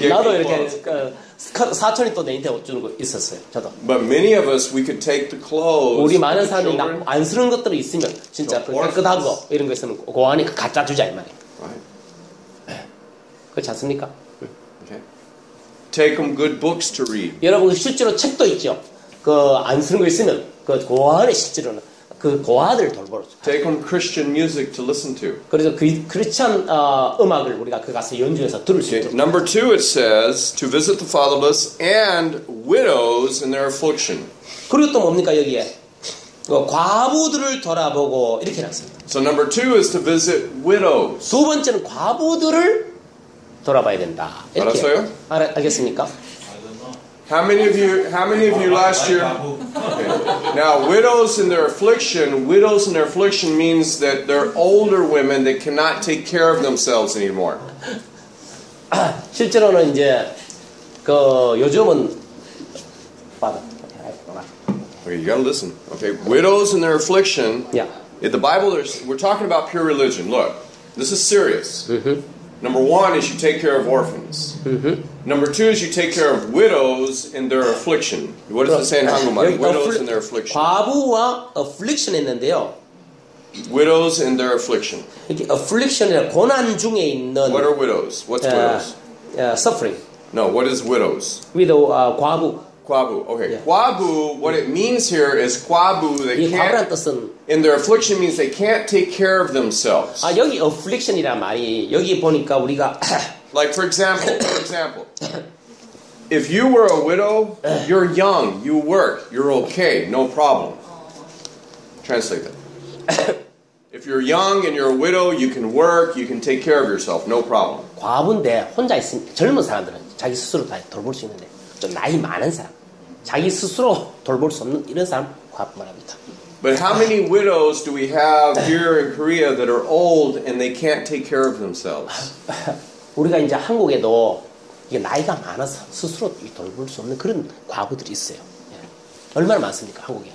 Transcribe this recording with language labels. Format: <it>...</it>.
<ko>나도 이렇게 사촌이 또 내한테 옷 주는 거 있었어요. 저도.</ko> <en>But many of us we could take the clothes.</en> <ko>우리 많은 사람이 안 쓰는 것들이 있으면 진짜 깨끗한 거 이런 거 있으면 고아니까 갖다 주자 이 말이에요.</ko> <en>Right.</en> <ko>그렇지 않습니까?</ko> <en>Take them good books to read.</en> <ko>여러분 실제로 책도 있죠. 그 안 쓰는 거 있으면 그 고아들 실제로는 그 고아들 돌보러.</ko> <en>Take them Christian music to listen to.</en> <ko>그래서 그 크리스천 음악을 우리가 그 가서 연주해서 들을 수 있도록.</ko> <en>Number two, it says to visit the fatherless and widows in their affliction.</en> <ko>그리고 또 뭡니까 여기에 그 과부들을 돌아보고 이렇게 나왔습니다.</ko> <en>So number two is to visit widows.</en> <ko>두 번째는 과부들을 돌아봐야 된다. 알았어요? 알겠습니까?</ko> <en>How many of you last year? Okay. Now widows in their affliction means that they're older women that cannot take care of themselves anymore.</en> <ko>실제로는 이제 그 요즘은 봐라.</ko> <en>Okay, you gotta listen. Okay, widows in their affliction. Yeah. In the Bible, we're talking about pure religion. Look, this is serious. Mm-hmm. Number one is you take care of orphans. Mm-hmm. Number two is you take care of widows in their affliction. What does it say in 한국말? Widows in their affliction.</en> <ko>과부와 affliction 있는데요.</ko> <en>Widows in their affliction.</en> <ko>Affliction이 고난 중에 있는.</ko> <en>What are widows? What's widows? Suffering. No, what is widows? Widow, 과부.</en> <ko>과부.</ko> <en>Okay. Yeah.</en> <ko>과부.</ko> <en>What it means here is 과부. They can't.</en> <ko>과부란 뜻은.</ko> <en>In their affliction means they can't take care of themselves.</en> <ko>아 여기 affliction이란 말이 여기 보니까 우리가.</ko> <en>Like for example, if you were a widow, you're young, you work, you're okay, no problem. Translate that. If you're young and you're a widow, you can work, you can take care of yourself, no problem.</en> <ko>과부인데 혼자 있으 젊은 사람들은 자기 스스로 다 돌볼 수 있는데. 나이 많은 사람, 자기 스스로 돌볼 수 없는 이런 사람 과부 말합니다.</ko> <en>But how many widows do we have here in Korea that are old and they can't take care of themselves?</en> <ko>우리가 이제 한국에도 이게 나이가 많아서 스스로 돌볼 수 없는 그런 과부들이 있어요. 얼마나 많습니까 한국에?</ko>